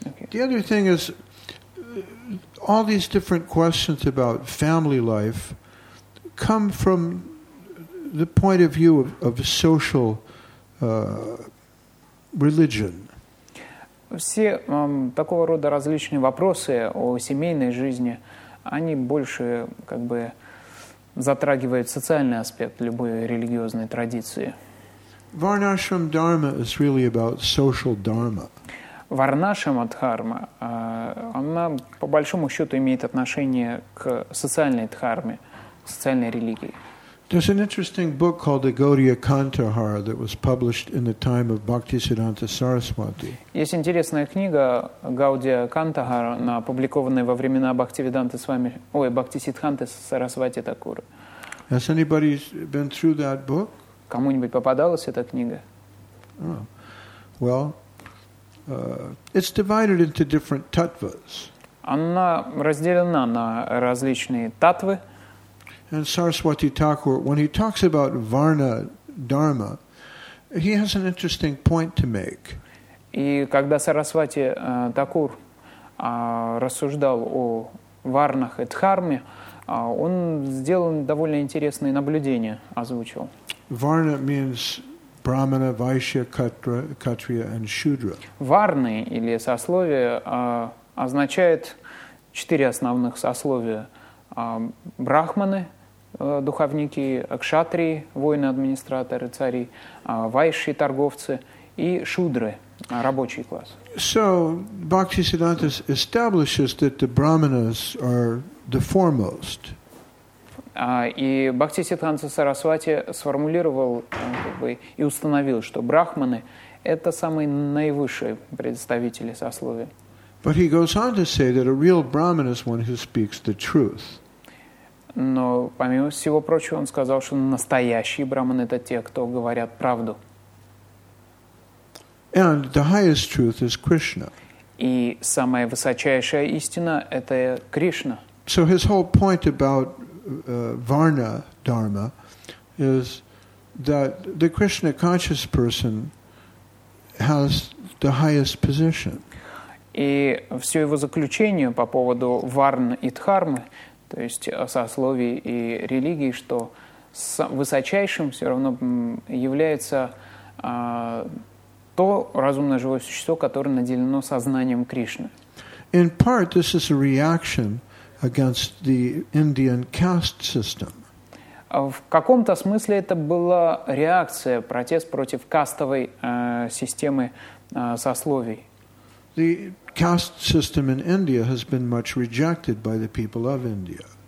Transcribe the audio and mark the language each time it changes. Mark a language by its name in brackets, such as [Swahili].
[English] The other thing is, all these different questions about family life come from the point of view of social religion. [Russian] Все такого рода различные вопросы о семейной жизни, они больше как бы затрагивают социальный аспект любой религиозной традиции. [English] Varnashram Dharma is really about social dharma. [Russian] Varnashrama Dharma, она по большому счету имеет отношение к социальной дхарме, к социальной религии. [English] There's an interesting book called the Gaudiya Kantahara that was published in the time of Bhaktisiddhanta Saraswati. [Russian] Есть интересная книга Gaudiya Kantahara, она опубликованная во времена Бхактисиддханты с вами, ой, Бхактисиддханты Сарасвати Такура. [English] Has anybody been through that book? [Russian] Кому-нибудь попадалась эта книга? Oh. [English] Well, it's divided into different tattvas. [Russian] Она разделена на различные таттвы. [English] And Saraswati Thakur, when he talks about Varna Dharma, he has an interesting point to make. [Russian] И когда Сарасвати Такур рассуждал о варнах и дхарме, он сделал довольно интересные наблюдения, озвучил. [English] Varna means Brahmana, Vaishya, Kshatriya and Shudra. [Russian] Варны или сословие означает четыре основных сословия: брахманы, духовники, кшатрии, воины-администраторы, цари, вайши, торговцы, и шудры, рабочий класс. [English] So Bhaktisiddhanta establishes that the brahmanas are the foremost. [Russian] И Бхактисиддханта Сарасвати сформулировал и установил, что брахманы – это самые наивысшие представители сословия. [English] But he goes on to say that a real Brahmin is one who speaks the truth. [Russian] Но помимо всего прочего, он сказал, что настоящие брахманы – это те, кто говорят правду. [English] And the highest truth is Krishna. [Russian] И самая высочайшая истина – это Кришна. [English] So his whole point about Varna Dharma is that the Krishna conscious person has the highest position. [Russian] И все его заключение по поводу варн и дхармы, то есть сословий и религии, что высочайшим все равно является то разумное живое существо, которое наделено сознанием Кришны. [English] In part, this is a reaction against the Indian caste system. [Russian] В каком-то смысле это была реакция, протест против кастовой системы сословий. [English] The caste system in India has been much rejected by the people of India.